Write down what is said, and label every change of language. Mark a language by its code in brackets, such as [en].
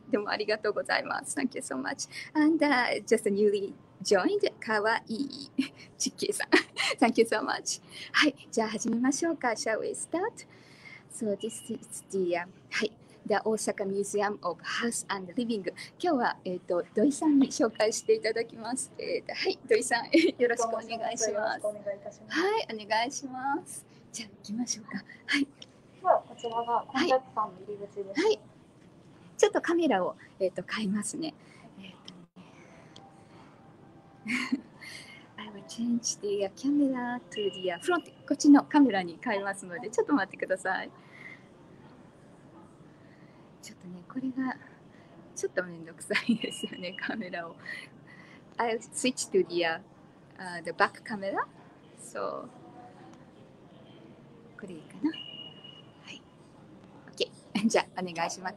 [ja] でもありがとうございます。 [en] Thank you so much. And just newly. Joined Kawaii Chikki-san. Thank you so much. [ja] はい、じゃあ始めましょうか。 [en] Shall we start? So this is the, はい、the Osaka Museum of House and Living. [ja] 今日は、土井さんに紹介していただきます。はい、土井さん、よろしくお願いします。よろしくお願いいたします。はい、お願いします。じゃあ行きましょうか。はい。ではこちらがコンタクトさんの入り口です。はい。はい、ちょっとカメラを、変えますね。 [en] I will change the camera to the front. [ja] こっちのカメラに変えますので、ちょっと待ってください。ちょっとね、これがちょっとめんどくさいですよね、カメラを。 [en] I will switch to the back camera. So, [ja] これいいかな。はい。 [en] OK。 [ja] じゃあ、お願いします。